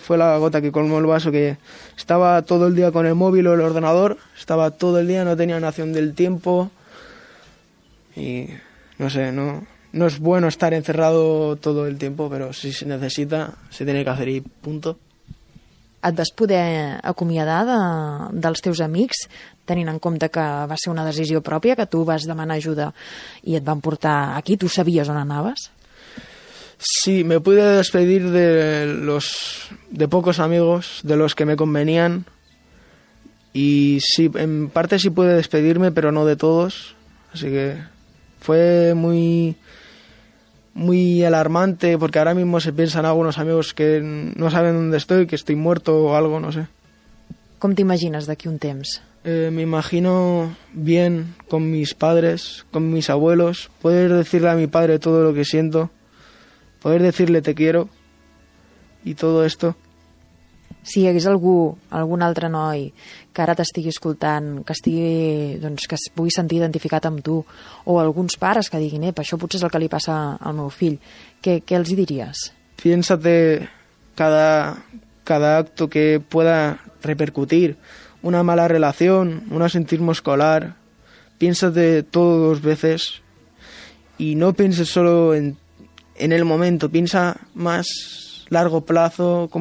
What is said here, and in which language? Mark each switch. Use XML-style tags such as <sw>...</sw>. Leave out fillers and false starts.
<es>Fue la gota que colmó el vaso, que estaba todo el día con el móvil o el ordenador, estaba todo el día, no tenía noción del tiempo. Y no sé, no es bueno estar encerrado todo el tiempo, pero si se necesita, se tiene que hacer y punto.</es> <ca>Et vas poder acomiadar dels teus amics, tenint en compte que va ser una decisió pròpia, que tu vas demanar ajuda i et van portar aquí? Tu sabies on anaves?</ca> <es>Sí, me pude despedir de los de pocos amigos, de los que me convenían. Y sí, en parte sí pude despedirme, pero no de todos, así que fue muy, muy alarmante, porque ahora mismo se piensan algunos amigos que no saben dónde estoy, que estoy muerto o algo, no sé.</es> <ca>¿Com t'imagines d'aquí un temps?</ca> <es>Me imagino bien, con mis padres, con mis abuelos, poder decirle a mi padre todo lo que siento, poder decirle te quiero y todo esto.</es> <ca>Si hi hagués algú, algun altre noi, que ara t'estigui escoltant, que estigui, doncs, que es pugui sentir identificat amb tu, o alguns pares que diguin, això potser és el que li passa al meu fill, què els hi diries?</ca> <es>Piénsate cada acto que pueda repercutir,</es> <ca>una mala relació,</ca> <es>un absentismo escolar, piénsate todo dos veces, y no pienses solo en el momento, piensa más largo plazo, cómo puede afectarte a ti y a tus padres.</es>